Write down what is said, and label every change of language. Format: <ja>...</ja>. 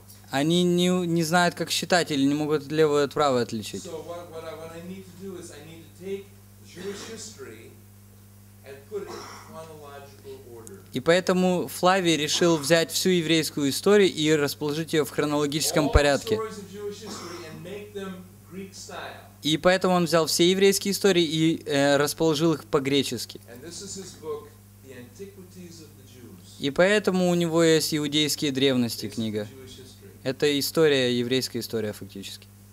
<ru>Они не знают, как считать, или не могут левую от правой отличить.</ru> <en>So what I need to do is I need to take Jewish history and put it in chronological order.</en> <ru>И поэтому Флавий решил взять всю еврейскую историю и расположить ее в хронологическом порядке.</ru> <en>All the stories of Jewish history and make them Greek style.</en> <ru>И поэтому он взял все еврейские истории и расположил их по-гречески.</ru> <en>And this is his book, The Antiquities of the Jews.</en> <ru>И поэтому у него есть «Иудейские древности» книга. Это история, еврейская история, фактически.</ru>